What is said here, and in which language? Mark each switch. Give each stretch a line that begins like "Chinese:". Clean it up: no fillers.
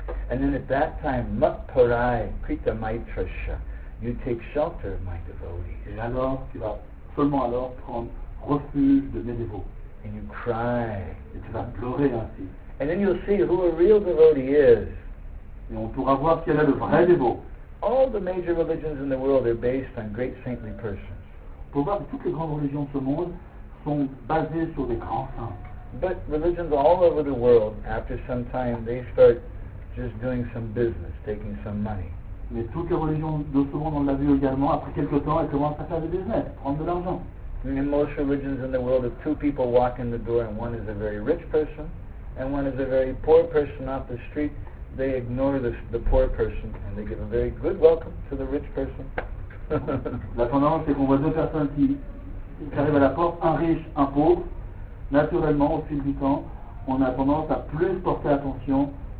English: And then at that time,
Sanskrit: matparai krita maitrasya,
English: you take shelter of my devotees.
French: Et alors, tu vas seulement alors prendre refuge de mes dévots.
English: And you cry.
French: Et tu vas pleurer ainsi.
English: And then you'll see who a real devotee is.
French: Et on pourra voir quel est le vrai dévot.
English: All the major religions in the world are based on great saintly persons.
French: Pour voir que toutes les grandes religions de ce monde sont basées sur des grands saints.
English: But religions all over the world, after some time, they start just doing some business, taking some money.
French: Mais toutes les religions de ce monde, on l'a vu également, après quelque temps, elles commencent à faire du business, prendre de l'argent.
English: In most religions in the world, if two people walk in the door and one is a very rich person and one is a very poor person off the street, they ignore the poor person and they give a very good welcome to the rich person.
French: La tendance, c'est qu'on voit deux personnes qui arrivent à la porte, un riche, un pauvre. Naturellement, au fil du temps, on a tendance à plus porter attention.